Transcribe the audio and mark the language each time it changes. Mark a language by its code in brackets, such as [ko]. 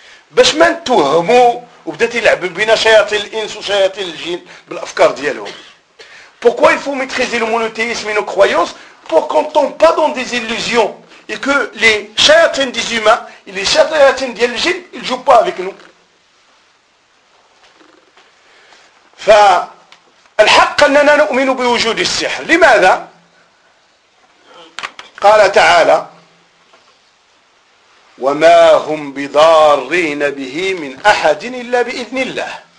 [ar] باش ما نتوهموا وبدات يلعب بينا شياطين الانس وشياطين الجن بالافكار ديالهم. [fr] Pourquoi il faut maîtriser le monothéisme et nos croyances pour qu'on ne tombe pas dans des illusions et que les chayatines des humains et les chayatines des djinn ne jouent pas avec nous. [ar] فالحق اننا نؤمن بوجود السحر. لماذا؟ قال تعالى وما هم بضارين به من احد الا باذن الله.